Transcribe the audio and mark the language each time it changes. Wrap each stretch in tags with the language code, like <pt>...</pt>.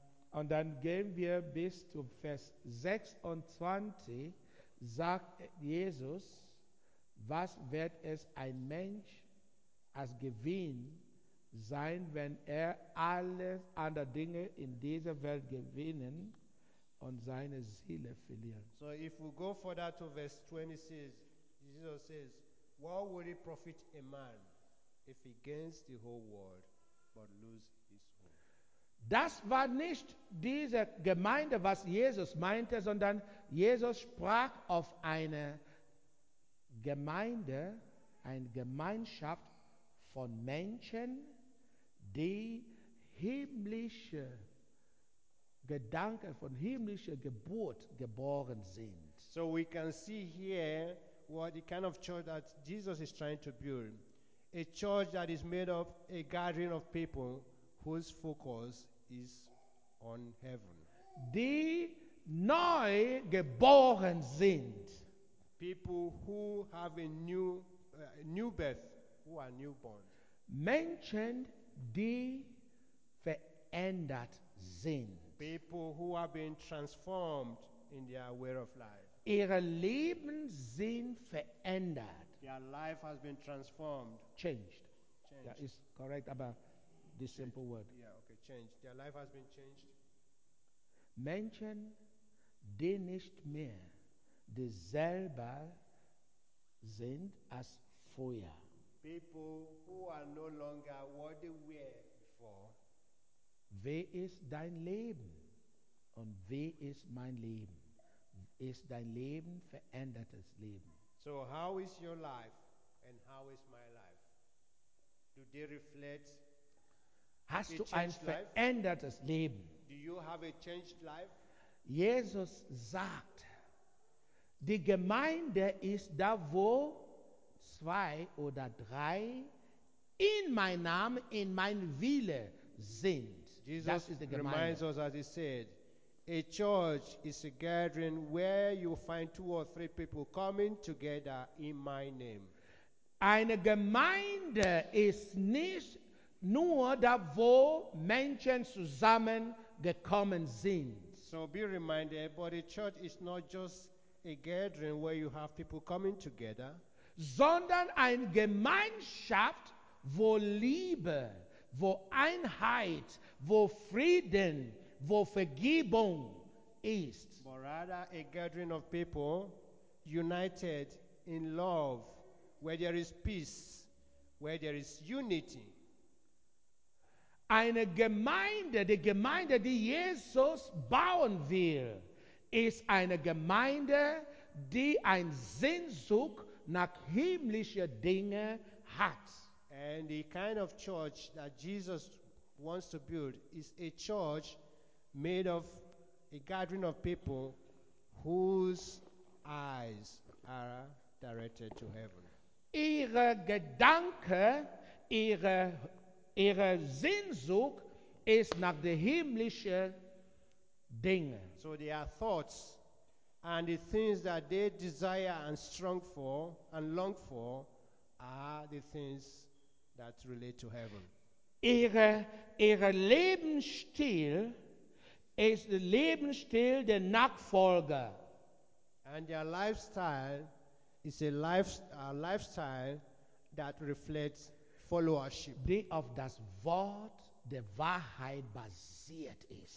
<de>Und dann gehen wir bis zu Vers 26, sagt Jesus, was wird es ein Mensch als Gewinn sein, wenn er alle anderen Dinge in dieser Welt gewinnen und seine Seele verlieren.</de> <en>So if we go further to verse 26, Jesus says, what would it profit a man if he gains the whole world but lose his soul?</en> <de>Das war nicht diese Gemeinde, was Jesus meinte, sondern Jesus sprach auf eine Gemeinde, eine Gemeinschaft von Menschen, die himmlische Gedanken von himmlischer Geburt geboren sind.</de> <en>So we can see here what the kind of church that Jesus is trying to build. A church that is made of a gathering of people whose focus is on heaven.</en> <de>Die neu geboren sind.</de> <en>People who have a new birth, who are newborn.</en> <de>Menschen, die verändert sind.</de> <en>People who have been transformed in their way of life.</en> <de>Ihre Leben sind verändert.</de> <en>Their life has been transformed. Changed. That is correct about this changed. Simple word. Yeah, okay, changed. Their life has been changed.</en> <de>Menschen, die nicht mehr dieselbe sind als früher.</de> <en>People who are no longer what they were before.</en> <de>Wie ist dein Leben? Und wie ist mein Leben? Ist dein Leben verändertes Leben?</de> <en>So how is your life and how is my life? Do they reflect?</en> <de>Hast du ein verändertes Leben?</de> <en>Do you have a changed life?</en> <de>Jesus sagt, die Gemeinde ist da, wo zwei oder drei in mein Name, in mein Wille sind.</de> <en>Jesus is the reminds</en> <de>Gemeinde.</de> <en>Us, as he said, a church is a gathering where you find two or three people coming together in my name.</en> <de>Eine Gemeinde ist nicht nur da, wo Menschen zusammen gekommen sind.</de> <en>So be reminded, but a church is not just a gathering where you have people coming together.</en> <de>Sondern eine Gemeinschaft, wo Liebe, wo Einheit, wo Frieden, wo Vergebung ist.</de> <en>But rather a gathering of people united in love, where there is peace, where there is unity.</en> <de>Eine Gemeinde, die Gemeinde, die Jesus bauen will, ist eine Gemeinde, die ein Sehnsucht nach himmlischen Dingen hat.</de> <en>And the kind of church that Jesus wants to build is a church made of a gathering of people whose eyes are directed to heaven.</en> <de>Ihre Gedanken, ihre Sehnsucht ist nach den himmlischen Dingen.</de> <en>So their thoughts and the things that they desire and strong for and long for are the things that relate to heaven.</en> <de>Ihre Lebensstil ist der Lebensstil der Nachfolger.</de> <en>And their lifestyle is a lifestyle that reflects followership.</en> <de>Die auf das Wort der Wahrheit basiert ist.</de>